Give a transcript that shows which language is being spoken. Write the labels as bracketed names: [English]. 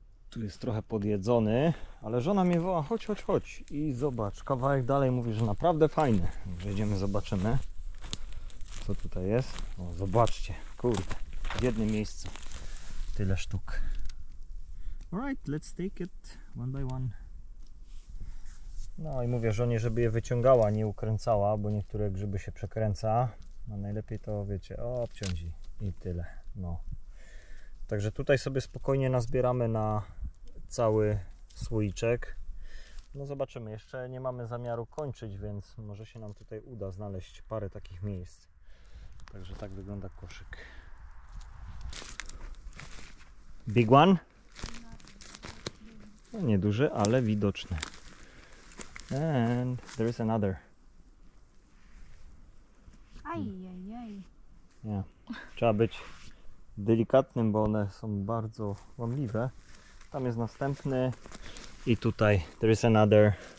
[Polish] Tu jest trochę podjedzony, ale żona mnie woła, chodź, chodź, chodź i zobacz, kawałek dalej mówi, że naprawdę fajny. Przejdziemy, zobaczymy, co tutaj jest. O, zobaczcie, kurde, w jednym miejscu tyle sztuk. [English] Alright, let's take it one by one. [Polish] No i mówię żonie, żeby je wyciągała, nie ukręcała, bo niektóre grzyby się przekręca. No najlepiej to, wiecie, o, obciąć i tyle, no. Także tutaj sobie spokojnie nazbieramy na cały słoiczek. No zobaczymy, jeszcze nie mamy zamiaru kończyć, więc może się nam tutaj uda znaleźć parę takich miejsc. Także tak wygląda koszyk. [English] Big one? [Polish] No nieduży, ale widoczny. [English] And there is another. Ajajaj. Yeah. [Polish] Trzeba być delikatnym, bo one są bardzo łamliwe. Tam jest następny. I tutaj, [English] there is another.